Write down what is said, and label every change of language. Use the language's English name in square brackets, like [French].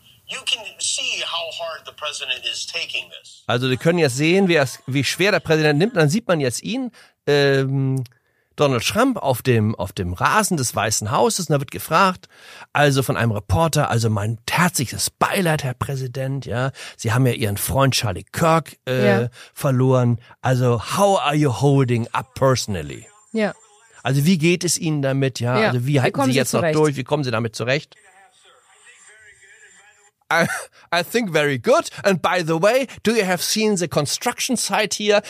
[English] You can see how hard the president is taking this. [German] Also wir können jetzt sehen, wie schwer der Präsident nimmt. Dann sieht man jetzt ihn, Donald Trump, auf dem Rasen des Weißen Hauses. Und da wird gefragt, also von einem Reporter, also mein herzliches Beileid, Herr Präsident. Ja, Sie haben ja Ihren Freund Charlie Kirk verloren. [English] Also how are you holding up personally? [German] Ja. Also wie geht es Ihnen damit? Ja, also wie halten Sie jetzt noch durch? Wie kommen Sie damit zurecht? [English] I think very good. And by the way, do you have seen the construction site here?